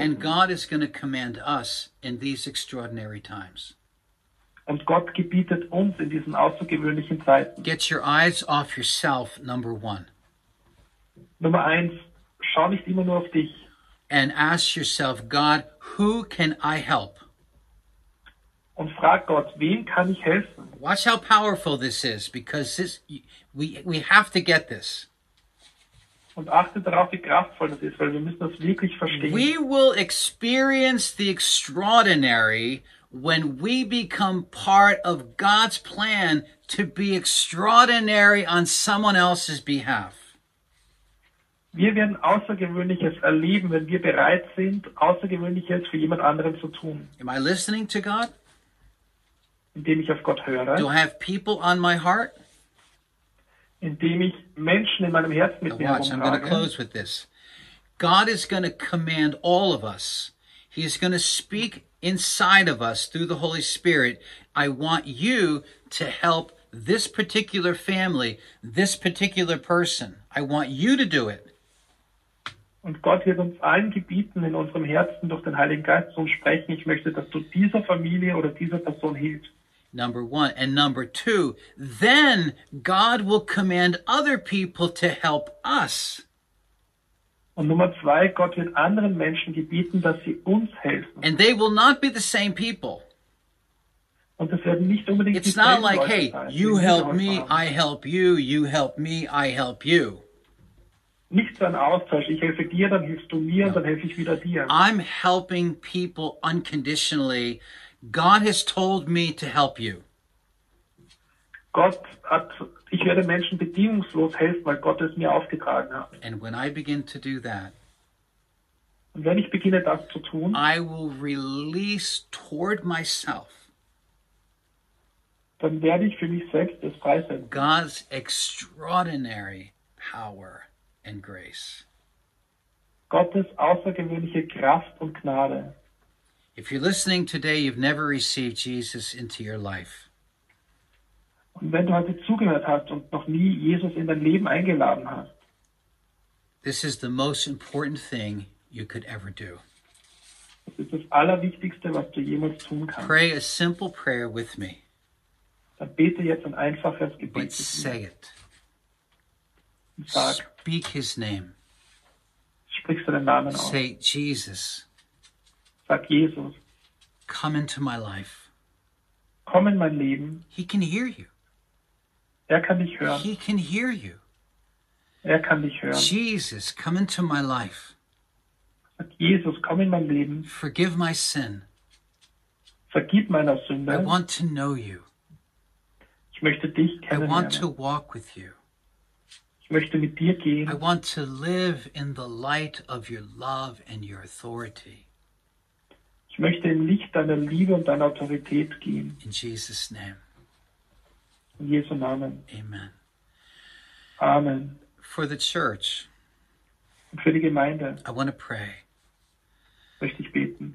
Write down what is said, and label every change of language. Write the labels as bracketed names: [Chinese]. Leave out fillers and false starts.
[English] And God is going to command us in these extraordinary times. [German] Und Gott gebietet uns in diesen außergewöhnlichen Zeiten. [English] Get your eyes off yourself, number one. [German] Nummer eins, schau nicht immer nur auf dich. [English] And ask yourself, God, who can I help? [German] Und frag Gott, wem kann ich helfen? [English] Watch how powerful this is, because this, we have to get this. [German] Und achte darauf, wie kraftvoll das ist, weil wir müssen das wirklich verstehen. [English] We will experience the extraordinary when we become part of God's plan to be extraordinary on someone else's behalf. [German] Wir werden Außergewöhnliches erleben, wenn wir bereit sind, Außergewöhnliches für jemand anderen zu tun. [English] Am I listening to God? [German] Indem ich auf Gott höre. [English] Do I have people on my heart? [German] Indem ich Menschen in meinem Herzen mit [English] now [German] mir [English] watch, [German] herumtrage. [English] I'm going to close with this. God is going to command all of us. He is going to speak inside of us through the Holy Spirit. I want you to help this particular family, this particular person. I want you to do it. [German] Und Gott wird uns allen gebieten, in unserem Herzen durch den Heiligen Geist zu sprechen. Ich möchte, dass du dieser Familie oder dieser Person hilfst. [English] Number one. And number two, then God will command other people to help us. [German] Und Nummer zwei, Gott wird anderen Menschen gebieten, dass sie uns helfen. [English] And they will not be the same people. [German] Und das werden nicht unbedingt [English] it's not like, hey, you help me, I help you, you help me, I help you. [German] Nicht so ein Austausch. Ich helfe dir, dann hilfst du mir, no. Dann helfe ich wieder dir. [English] I'm helping people unconditionally. God has told me to help you. [German] Gott hat, ich werde Menschen bedingungslos helfen, weil Gott es mir aufgetragen hat. [English] And when I begin to do that, [German] und wenn ich beginne, das zu tun, [English] I will release toward myself, [German] dann werde ich für mich selbst das freisetzen. [English] God's extraordinary power and grace. [German] Gottes außergewöhnliche Kraft und Gnade. [English] If you're listening today, you've never received Jesus into your life. [German] Und wenn du heute zugehört hast und noch nie Jesus in dein Leben eingeladen hast, [English] this is the most important thing you could ever do. [German] Das ist das Allerwichtigste, was du jemals tun kannst. [English] Pray a simple prayer with me. [German] Dann bete jetzt ein einfaches Gebet. [English] But say it. [German] Sag, [English] speak his name. [German] Sprichst du den Namen aus. [English] Say, Jesus. [German] Sag Jesus, [English] come into my life. [German] Komm in mein Leben. [English] He can hear you. [German] Er kann dich hören. [English] He can hear you. [German] Er kann dich hören. [English] Jesus, come into my life. [German] Sag Jesus, komm in mein Leben. [English] Forgive my sin. [German] Vergib meiner Sünde. [English] I want to know you. [German] Ich möchte dich kennenlernen. [English] I want to walk with you. [German] Ich möchte mit dir gehen. [English] I want to live in the light of your love and your authority. [German] Ich möchte im Licht deiner Liebe und deiner Autorität gehen. [English] In Jesus' name. [German] In Jesu Namen. [English] Amen. [German] Amen. [English] For the church. [German] Und für die Gemeinde. [English] I want to pray. [German] Möchte ich beten.